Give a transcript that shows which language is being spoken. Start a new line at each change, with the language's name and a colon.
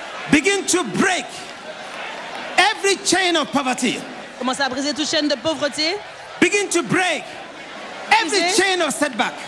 English: Begin to break every chain of poverty.
French: Commence à briser toute chaîne de pauvreté.
English: Begin to break every chain of setback.